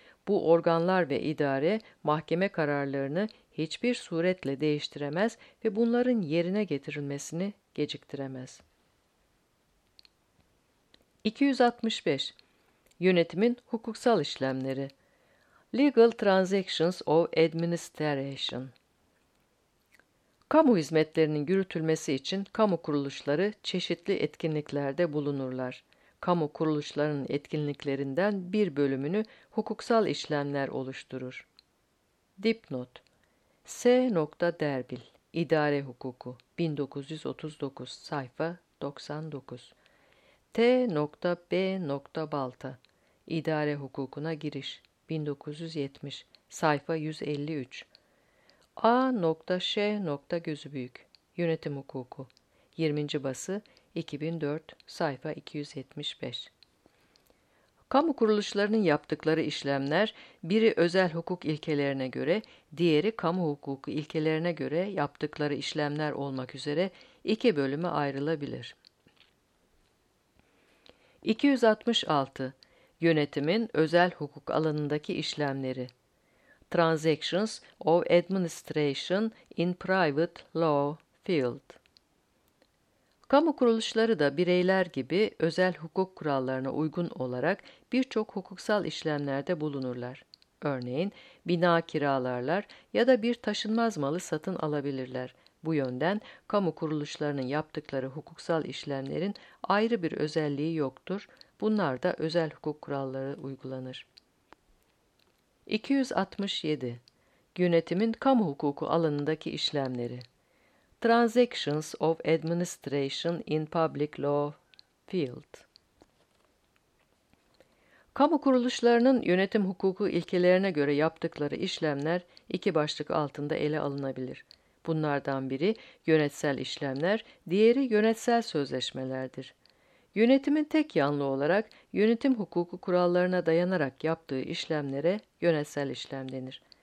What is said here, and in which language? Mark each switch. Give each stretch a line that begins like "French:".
Turkish: Bu organlar ve idare, mahkeme kararlarını hiçbir suretle değiştiremez ve bunların yerine getirilmesini geciktiremez. 265. Yönetimin hukuksal işlemleri.
English: Legal Transactions of Administration.
Turkish: Kamu hizmetlerinin yürütülmesi için kamu kuruluşları çeşitli etkinliklerde bulunurlar. Kamu kuruluşlarının etkinliklerinden bir bölümünü hukuksal işlemler oluşturur. Dipnot. S. Derbil, İdare Hukuku, 1939, sayfa 99. T. B. Balta, İdare Hukukuna Giriş, 1970, sayfa 153. A. Ş. Gözübüyük, Yönetim Hukuku, 20. Bası, 2004, sayfa 275. Kamu kuruluşlarının yaptıkları işlemler, biri özel hukuk ilkelerine göre, diğeri kamu hukuku ilkelerine göre yaptıkları işlemler olmak üzere iki bölüme ayrılabilir. 266. Yönetimin özel hukuk alanındaki işlemleri.
English: Transactions of Administration in Private Law Field.
Turkish: Kamu kuruluşları da bireyler gibi özel hukuk kurallarına uygun olarak birçok hukuksal işlemlerde bulunurlar. Örneğin, bina kiralarlar ya da bir taşınmaz malı satın alabilirler. Bu yönden kamu kuruluşlarının yaptıkları hukuksal işlemlerin ayrı bir özelliği yoktur. Bunlar da özel hukuk kuralları uygulanır. 267. Yönetimin kamu hukuku alanındaki işlemleri.
English: Transactions of Administration in Public Law Field.
Turkish: Kamu kuruluşlarının yönetim hukuku ilkelerine göre yaptıkları işlemler iki başlık altında ele alınabilir. Bunlardan biri yönetsel işlemler, diğeri yönetsel sözleşmelerdir. Yönetimin tek yanlı olarak yönetim hukuku kurallarına dayanarak yaptığı işlemlere yönetsel işlem denir.